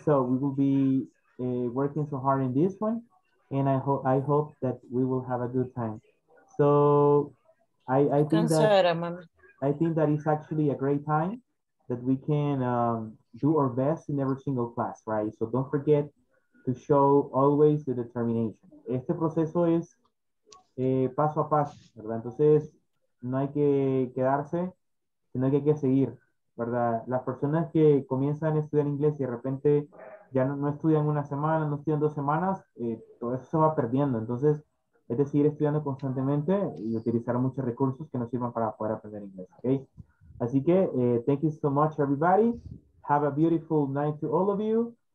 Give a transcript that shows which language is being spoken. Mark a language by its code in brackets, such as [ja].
[en] So we will be working so hard in this one. And I hope that we will have a good time. So I think that it's actually a great time that we can do our best in every single class, right? So don't forget to show always the determination. [es] Este proceso es paso a paso, ¿verdad? Entonces, no hay que quedarse, sino que hay que seguir, ¿verdad? Las personas que comienzan a estudiar inglés y de repente ya no estudian una semana, no estudian dos semanas, todo eso se va perdiendo. Entonces, es de seguir estudiando constantemente y utilizar muchos recursos que nos sirvan para poder aprender inglés, ¿ok? Así que, [en] thank you so much, everybody. Have a beautiful night to all of you.